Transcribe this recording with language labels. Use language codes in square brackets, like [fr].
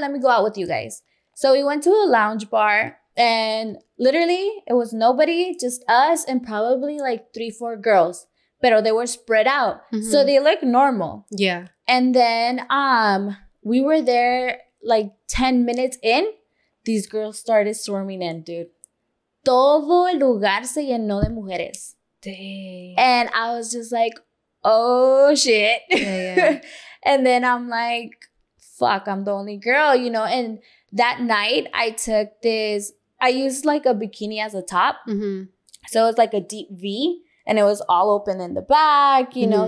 [en] Let me go out with you guys. So we went to a lounge bar and literally it was nobody, just us and probably like 3-4 girls. But they were spread out. So they look normal. Yeah. And then we were there like 10 minutes in. These girls started swarming in, dude. [es] Todo el lugar se llenó de mujeres. [en] Dang. And I was just like, oh, shit. Yeah, yeah. And then I'm like, fuck, I'm the only girl, you know. And that night I took this, I used like a bikini as a top. So it was like a deep V and it was all open in the back, you know.